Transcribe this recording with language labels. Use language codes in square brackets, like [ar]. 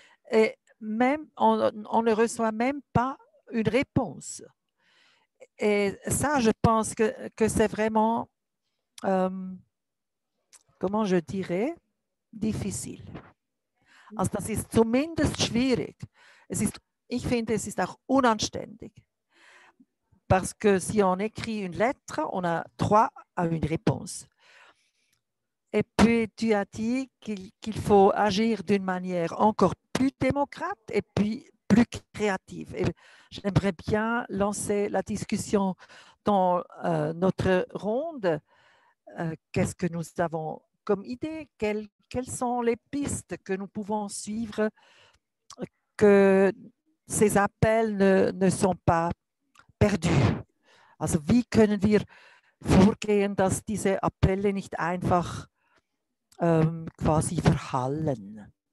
[fr] Et même, on ne reçoit même pas une réponse. Et ça, je pense que c'est vraiment, comment je dirais, difficile. [de] Also, das ist zumindest schwierig. Es ist, ich finde, es ist auch unanständig. [fr] Parce que si on écrit une lettre, on a droit à une réponse. Et puis, tu as dit qu'il faut agir d'une manière encore plus démocrate et puis plus créative. Et j'aimerais bien lancer la discussion dans notre ronde. Qu'est-ce que nous avons comme idée? Quelles sont les pistes que nous pouvons suivre que ces appels ne sont pas perdu. [de] Also wie können wir vorgehen, dass diese Appelle nicht einfach quasi verhallen?